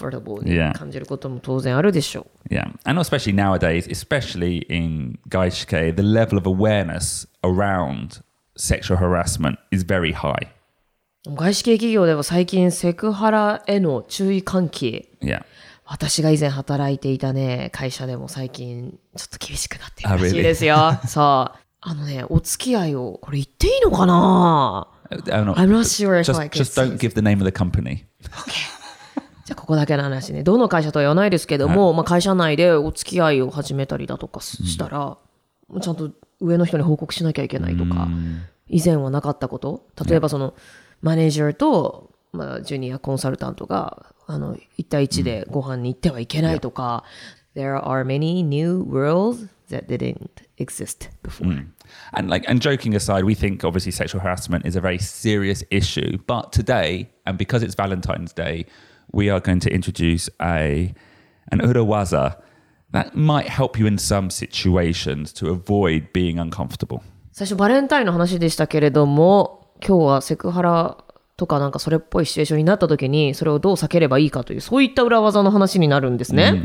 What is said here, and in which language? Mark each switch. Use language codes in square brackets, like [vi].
[ja] まあ今のご時世じゃないですけれども、まあ関係性によってはね、急にチョコレートを渡されたら、なんかね、上司の男性に渡されたら、ちょっとびっくりしたりとか、ちょっとアンカンファーテブルに感じることも当然あるでしょう。 [en] Yeah, and especially nowadays, especially in Gaishke, the level of awareness around sexual harassment is very high. [ja] 外資系企業では最近セクハラへの注意喚起。 [en] Yeah. [ja] 私が以前働いていたね会社でも最近ちょっと厳しくなっているらしいですよ。そう、あのね、お付き合いをこれ言っていいのかな。 [en] I'm not sure if just, I can just don't give the name of the company. Okay. [ja] じゃあここだけの話ね。どの会社とは言わないですけども、まあ、会社内でお付き合いを始めたりだとかしたら、うん、ちゃんと上の人に報告しなきゃいけないとか、うん、以前はなかったこと、例えばその、ね、マネージャーと、まあ、ジュニアコンサルタントが一対一でご飯に行ってはいけないとか、うん、 [en] There are many new worlds that didn't exist before.、 [ja] うん、 [en] And, like, and joking aside, we think obviously sexual harassment is a very serious issue, but today, and because it's Valentine's Day,We are going to introduce an urawaza that might help you in some situations to avoid being uncomfortable. [ja] 最初バレンタインの話でしたけれども、今日はセクハラとかなんかそれっぽいシチュエーションになった時にそれをどう避ければいいかというそういった裏技の話になるんですね。